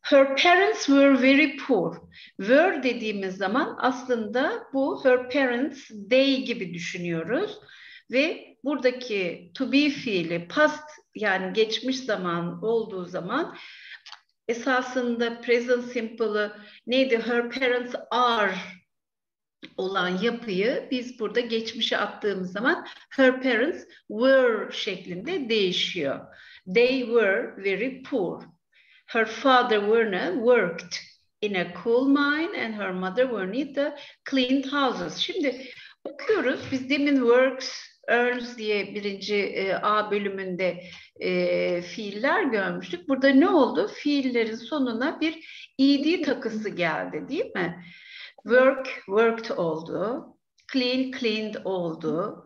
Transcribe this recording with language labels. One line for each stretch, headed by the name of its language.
English: Her parents were very poor.
Turkish: Were dediğimiz zaman aslında bu her parents, they gibi düşünüyoruz. Ve buradaki to be fiili past, yani geçmiş zaman olduğu zaman esasında present simple'ı neydi?
English: Her parents are
Turkish: olan yapıyı biz burada geçmişe attığımız zaman
English: her parents were
Turkish: şeklinde değişiyor.
English: They were very poor. Her father Werner worked in a coal mine and her mother Vernita cleaned houses.
Turkish: Şimdi okuyoruz. Biz demin works, earns diye birinci A bölümünde fiiller görmüştük. Burada ne oldu? Fiillerin sonuna bir ed takısı geldi, değil mi? Work, worked oldu. Clean, cleaned oldu.